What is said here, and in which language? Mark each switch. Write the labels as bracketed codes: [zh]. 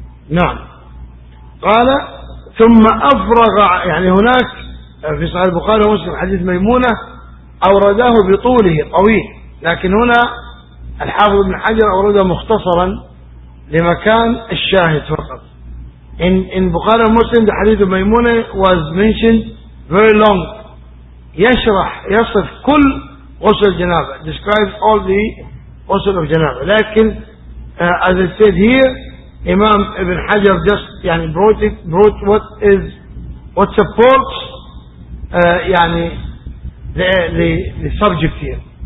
[ar] نعم. قال ثم أفرغ, يعني هناك في صحيح البخاري ومسلم حديث ميمونة أورداه بطوله طويل, لكن هنا الحافظ ابن حجر أورده مختصرا لمكان الشاهد فقط. [en] In Bukhara Muslim, the Hadith of Maimuna was mentioned very long. [ar] يشرح يصف كل غسل الجنابة, [en] describes all the [ar] غسل of جنابة. [en] لكن as I said here, Imam Ibn Hajar just يعني brought it, brought what is what supports يعني the subject here.